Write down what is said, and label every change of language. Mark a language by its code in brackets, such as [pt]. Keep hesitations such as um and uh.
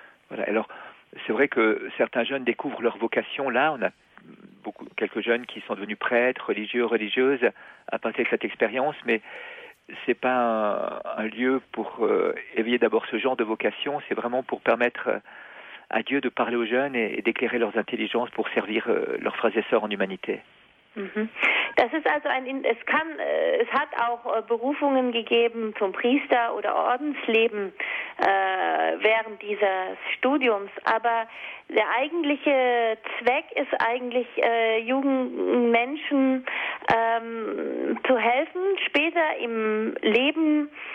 [fr] Voilà. Alors, c'est vrai que certains jeunes découvrent leur vocation. Là, on a beaucoup, quelques jeunes qui sont devenus prêtres, religieux, religieuses à partir de cette expérience, mais c'est pas un, un lieu pour euh, éveiller d'abord ce genre de vocation. C'est vraiment pour permettre à Dieu de parler aux jeunes et, et d'éclairer leurs intelligences pour servir euh, leurs frères et sœurs en humanité. Mhm. [de] Das ist also ein, es kann, äh, es hat auch äh, Berufungen gegeben zum Priester oder Ordensleben äh, während dieses Studiums, aber der eigentliche Zweck ist eigentlich, äh, jungen Menschen ähm, zu helfen, später im Leben